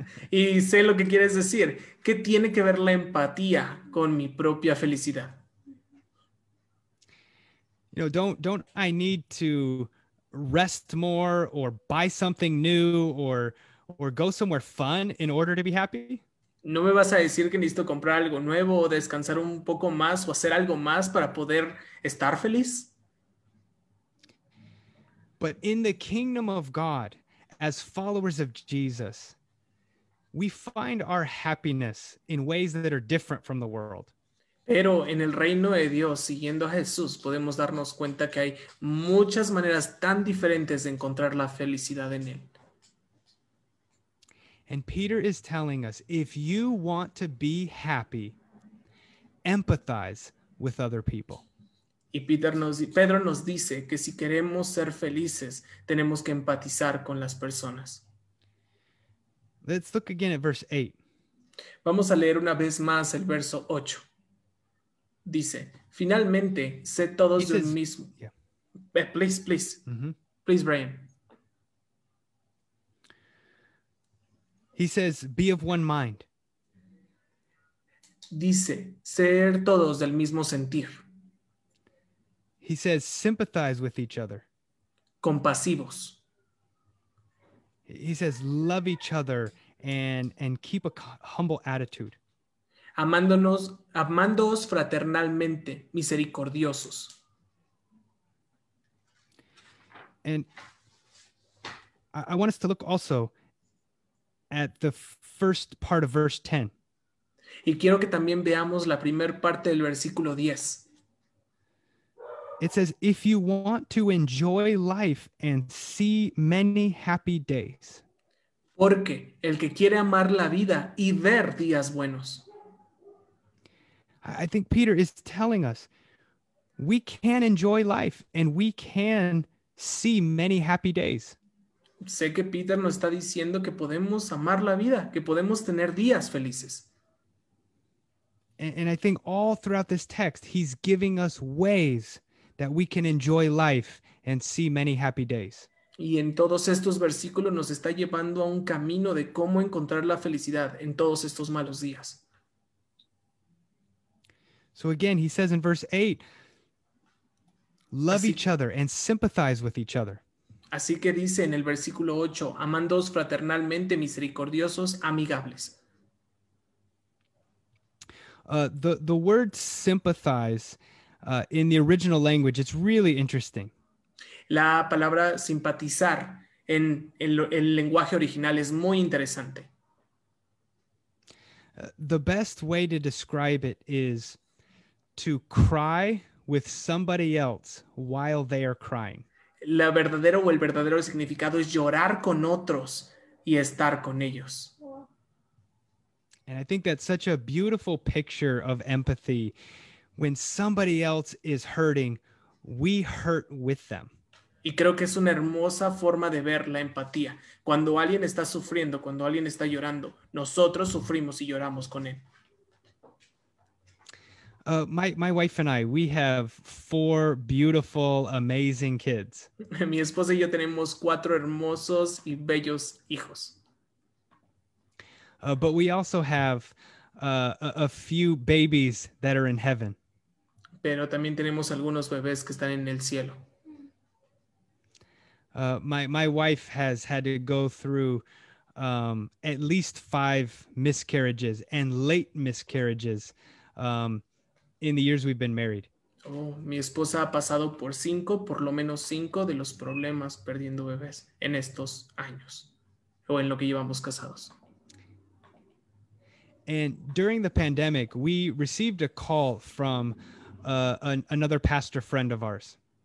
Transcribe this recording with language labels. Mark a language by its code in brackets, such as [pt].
[es] Y sé lo que quieres decir. ¿Qué tiene que ver la empatía con mi propia felicidad? [en] You know, don't I need to rest more or buy something new or go somewhere fun in order to be happy? [es] ¿No me vas a decir que necesito comprar algo nuevo o descansar un poco más o hacer algo más para poder estar feliz? [en] But in the kingdom of God, as followers of Jesus, we find our happiness in ways that are different from the world. [es] Pero en el reino de Dios, siguiendo a Jesús, podemos darnos cuenta que hay muchas maneras tan diferentes de encontrar la felicidad en Él. [en] And Peter is telling us, if you want to be happy, empathize with other people. [es] Y Peter nos, Pedro nos dice que si queremos ser felices, tenemos que empatizar con las personas. [en] Let's look again at verse 8. [es] Vamos a leer una vez más el verso 8. Dice, finalmente, sé todos de un mismo. [en] Yeah. Please, please. Mm-hmm. Please, Brian. He says, be of one mind. [es] Dice, ser todos del mismo sentir. [en] He says, sympathize with each other. [es] Compasivos. [en] He says, love each other and keep a humble attitude. [es] Amándonos, amándoos fraternalmente, misericordiosos. [en] And I want us to look also at the first part of verse 10. [es] Y quiero que también veamos la primer parte del versículo 10. [en] It says, if you want to enjoy life and see many happy days. [es] Porque el que quiere amar la vida y ver días buenos. [en] I think Peter is telling us, we can enjoy life and we can see many happy days. [es] Sé que Peter nos está diciendo que podemos amar la vida, que podemos tener días felices. [en] And I think all throughout this text, he's giving us ways that we can enjoy life and see many happy days. [es] Y en todos estos versículos nos está llevando a un camino de cómo encontrar la felicidad en todos estos malos días. [en] So again, he says in verse 8, love each other and sympathize with each other. [es] Así que dice en el versículo 8, amándoos fraternalmente, misericordiosos, amigables. [en] The word sympathize in the original language, it's really interesting. [es] La palabra simpatizar en el lenguaje original es muy interesante. [en] The best way to describe it is to cry with somebody else while they are crying. [es] La verdadera o el verdadero significado es llorar con otros y estar con ellos. [en] And I think that's such a beautiful picture of empathy. When somebody else is hurting, we hurt with them. [es] Y creo que es una hermosa forma de ver la empatía. Cuando alguien está sufriendo, cuando alguien está llorando, nosotros sufrimos y lloramos con él. [en] My wife and I, we have 4 beautiful, amazing kids. [es] Mi esposa y yo tenemos 4 hermosos y bellos hijos. [en] But we also have a few babies that are in heaven. [es] Pero también tenemos algunos bebés que están en el cielo. [en] My wife has had to go through at least 5 miscarriages and late miscarriages in the years we've been married. [es] Oh, mi esposa ha pasado por 5, por lo menos 5 de los problemas perdiendo bebés en estos años o en lo que llevamos casados. [en] And during the pandemic, we received a call from another pastor friend of ours.